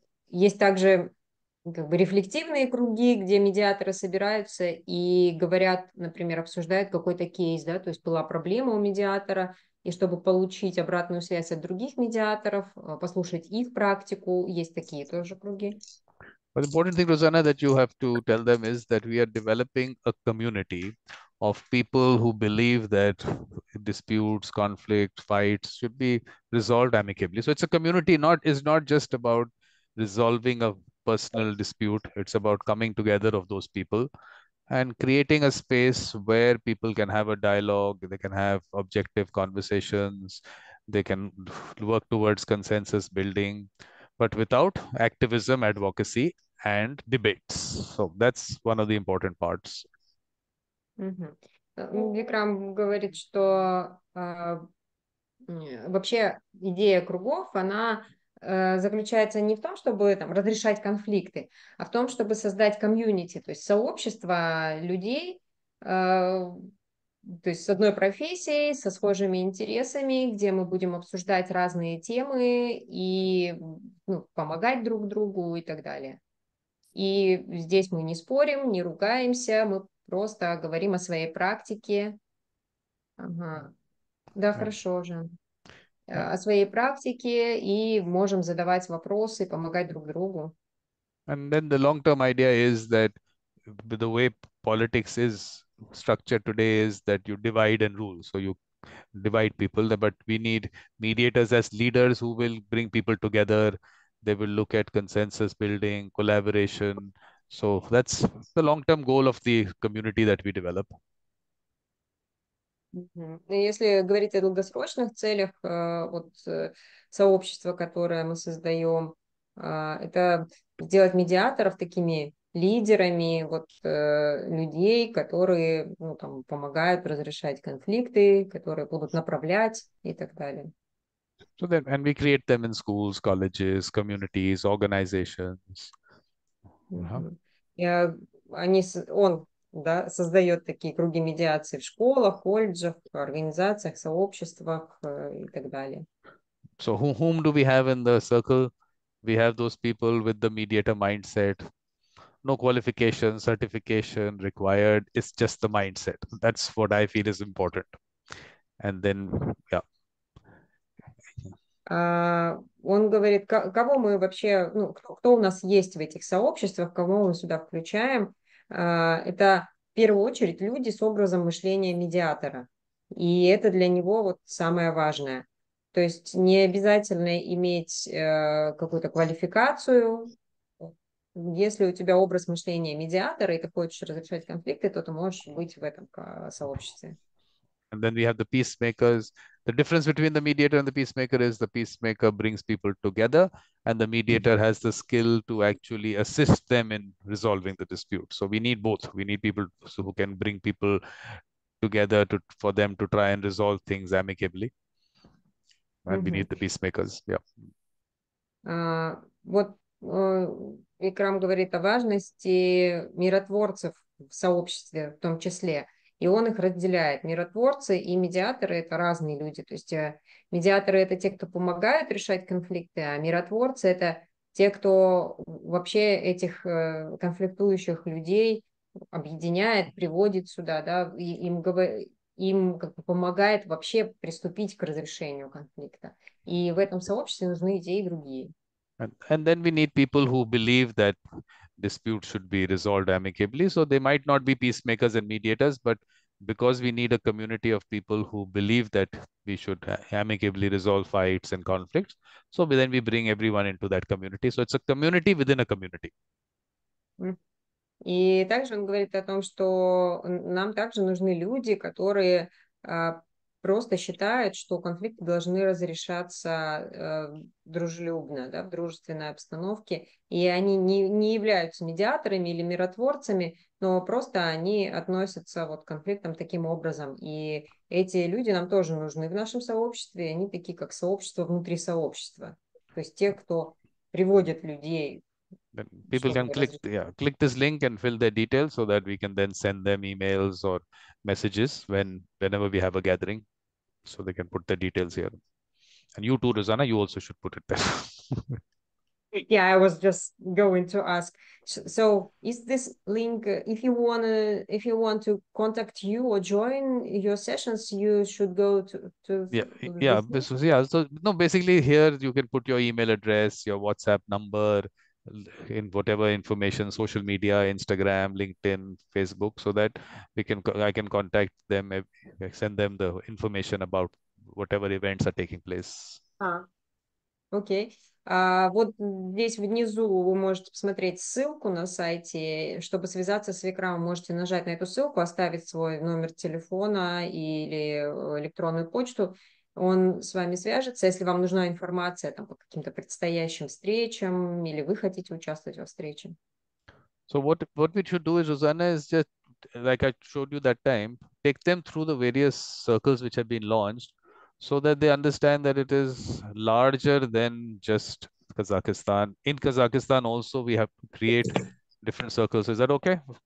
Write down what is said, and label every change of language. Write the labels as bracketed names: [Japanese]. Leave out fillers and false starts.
[Russian] Есть также как бы рефлективные круги, где медиаторы собираются и говорят, например, обсуждают какой-то кейс, да, то есть была проблема у медиатора. И чтобы получить обратную связь от других медиаторов, послушать их практику, есть такие тоже круги. [English] But the important thing, Rosanna, that you have to tell them is that we are developing a community of people who believe that disputes, conflict, fights should be resolved amicably. So it's a community, is not just about resolving a personal dispute. It's about coming together of those people And creating a space where people can have a dialogue, they can have objective conversations, they can work towards consensus building, but without activism, advocacy, and debates. So that's one of the important parts. [Russian] Викрам говорит, что вообще идея кругов, она заключается не в том, чтобы там разрешать конфликты, а в том, чтобы создать комьюнити, то есть сообщество людей, то есть с одной профессией, со схожими интересами, где мы будем обсуждать разные темы и ну, помогать друг другу и так далее. И здесь мы не спорим, не ругаемся, мы просто говорим о своей практике. Ага. Да, хорошо же. О своей практике и можем задавать вопросы, помогать друг другу. [English] And then the long-term idea is that the way politics is structured today is that you divide and rule. So you divide people, but we need mediators as leaders who will bring people together. They will look at consensus building, collaboration. So that's the long-term goal of the community that we develop. [Russian] Если говорить о долгосрочных целях, вот сообщество, которое мы создаем, это сделать медиаторов такими лидерами, вот людей, которые ну, там, помогают разрешать конфликты, которые будут направлять и так далее. [English] So then, and we create them in schools, colleges, communities, organizations. [Russian] Я, они, он Да, создает такие круги медиации в школах, колледжах, организациях, сообществах и так далее. [English] So whom do we have in the circle? We have those people with the mediator mindset. No qualification, certification required. It's just the mindset. That's what I feel is important. And then, yeah. [Russian] Он говорит, кого мы вообще, ну, кто у нас есть в этих сообществах, кого мы сюда включаем? Это в первую очередь люди с образом мышления медиатора. И это для него вот самое важное. То есть не обязательно иметь какую-то квалификацию. Если у тебя образ мышления медиатора, и ты хочешь разрешать конфликты, то ты можешь быть в этом сообществе. [English] And then we have the peacemakers. The difference between the mediator and the peacemaker is the peacemaker brings people together, and the mediator has the skill to actually assist them in resolving the dispute. So we need both. We need people who can bring people together to for them to try and resolve things amicably. And we need the peacemakers. [Russian] Вот Икрам говорит о важности миротворцев в сообществе, в том числе, и он их разделяет. Миротворцы и медиаторы это разные люди. То есть медиаторы это те, кто помогают решать конфликты, а миротворцы это те, кто вообще этих конфликтующих людей объединяет, приводит сюда, да, и им говорит. Им как бы помогает вообще приступить к разрешению конфликта. И в этом сообществе нужны и те, и другие. [English] And then we need people who believe that disputes should be resolved amicably. So they might not be peacemakers and mediators, but because we need a community of people who believe that we should amicably resolve fights and conflicts, so then we bring everyone into that community. So it's a community within a community. [Russian] И также он говорит о том, что нам также нужны люди, которые просто считают, что конфликты должны разрешаться дружелюбно, да, в дружественной обстановке. И они не являются медиаторами или миротворцами, но просто они относятся вот к конфликтам таким образом. И эти люди нам тоже нужны в нашем сообществе. И они такие, как сообщество внутри сообщества. То есть те, кто приводит людей, [English] People [Russian] чтобы [English] can click, [Russian] разрешить. [English] yeah, click this link and fill their details so that we can then send them emails or messages whenever we have a gathering, so they can put their details here. And you too, Rosanna, you also should put it there. Yeah, I was just going to ask. So, is this link, if you want to contact you or join your sessions, you should go to Yeah, this this was, yeah. So no, basically here you can put your email address, your WhatsApp number, in whatever information, social media, Instagram, LinkedIn, Facebook, so that I can contact them, send them the information about whatever events are taking place. Okay. [Russian] Вот здесь внизу вы можете посмотреть ссылку на сайте. Чтобы связаться с Викрамом, можете нажать на эту ссылку, оставить свой номер телефона или электронную почту. Он с вами свяжется, если вам нужна информация там, по каким-то предстоящим встречам или вы хотите участвовать во встрече. [English] So what we should do is, Rosanna, is just like I showed you that time, take them through the various circles which have been launched so that they understand that it is larger than just Kazakhstan. In Kazakhstan also we have to create different circles. Is that okay?